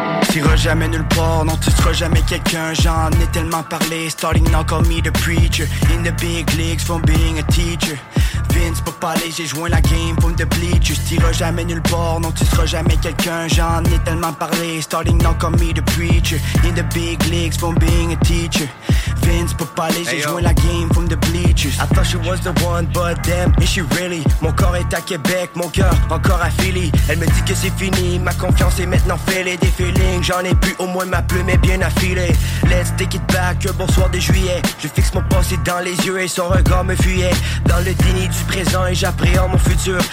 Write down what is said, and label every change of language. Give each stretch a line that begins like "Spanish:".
French: T'iras jamais nulle part, non tu seras jamais quelqu'un. J'en ai tellement parlé,
English: starting now call me the preacher. In the big leagues from being a teacher.
French: Vince pour parler, j'ai joint la game
English: from the bleachers.
French: T'iras jamais nulle part, non tu seras jamais quelqu'un. J'en ai tellement parlé,
English: starting now call me the preacher. In the big leagues from being a teacher.
French: Vince pour parler, j'ai joint la game
English: from the bleachers. I thought she was the one, but damn, is she really?
French: Mon corps est à Québec, mon cœur encore à Philly. Elle me dit que c'est fini, ma confiance est maintenant fêlée. Des feelings, j'en ai plus, au moins ma plume est bien affilée.
English: Let's take it back,
French: un bonsoir de juillet. Je fixe mon passé dans les yeux et son regard me fuyait. Dans le déni du présent et j'appréhende mon futur.